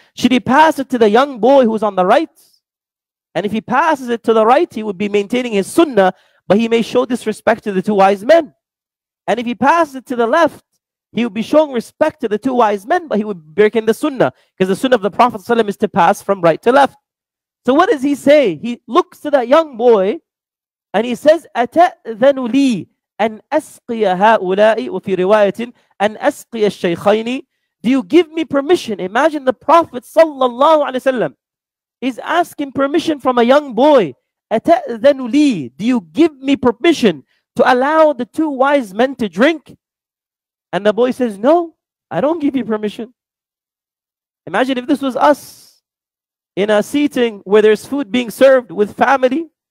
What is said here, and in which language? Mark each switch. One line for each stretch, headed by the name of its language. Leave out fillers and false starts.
English: Should he pass it to the young boy who's on the right? And if he passes it to the right, he would be maintaining his sunnah, but he may show disrespect to the two wise men. And if he passed it to the left, he would be showing respect to the two wise men, but he would break in the sunnah, because the sunnah of the Prophet ﷺ is to pass from right to left. So what does he say? He looks to that young boy and he says,
Arabic: أَتَأْذَنُ لِي أَنْ أَسْقِيَ هَؤُلَاءِ وَفِي رِوَايَةٍ أَنْ أَسْقِيَ الشَّيْخَيْنِ.
English: Do you give me permission? Imagine the Prophet ﷺ is asking permission from a young boy.
Arabic: أَتَأْذَنُ لِي.
English: Do you give me permission to allow the two wise men to drink? And the boy says, no, I don't give you permission. Imagine if this was us in a seating where there's food being served with family.